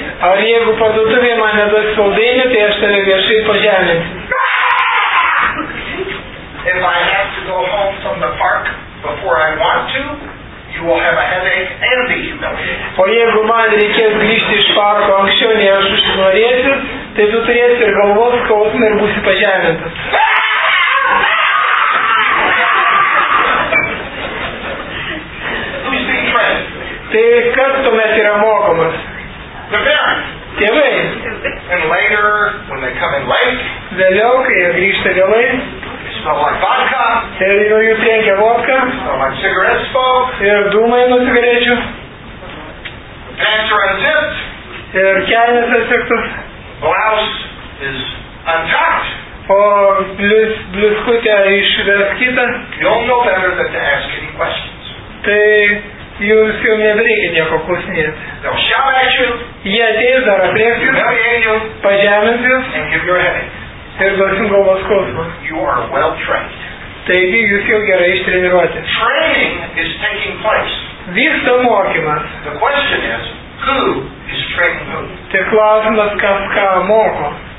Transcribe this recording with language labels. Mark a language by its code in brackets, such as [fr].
[lt] Ar jeigu parduotuvė man neduos saldainių, tai aš tave viešai pažeminsiu. [en] If I have to go home from the park before I want to, you will have a headache and be humiliated. [lt] O jeigu man reikės grįžti iš parko anksčiau, nei aš užsinorėsiu, tai tu turėsi ir galvos skausmą ir būsi pažemintas. [en] Who's being trained? [lt] Tai kas tuomet yra mokomas? [en] The parents. [lt] Tėvai. [en] And later, when they come in late. [lt] Vėliau, kai jie grįžta vėlai. [en] Smell like vodka. [lt] Ir jų trenkia vodka. [en] Smell like cigarette smoke. [lt] Ir dūmai nuo cigarečių. [en] Pants are unzipped. [lt] Ir kelnės atsiktos. [en] Blouse is untucked. [lt] O bliskutė išraskyta. [en] You'll know better than to ask any questions. [lt] Tai jūs jau nebereikia nieko klausinėti. [en] They'll shout at you. [lt] Jie ateis dar aprėkti. [en] Humiliate you. [lt] Pažemins jūs. [en] And give your headache. [lt] Ir duosim galvos skausmą. [en] You are well trained. [lt] Taigi jūs jau gerai ištreniruoti. [en] Training is taking place. [lt] Vyksta mokymas. [en] The question is, who is training who? [lt] Tai klausimas, kas ką moko.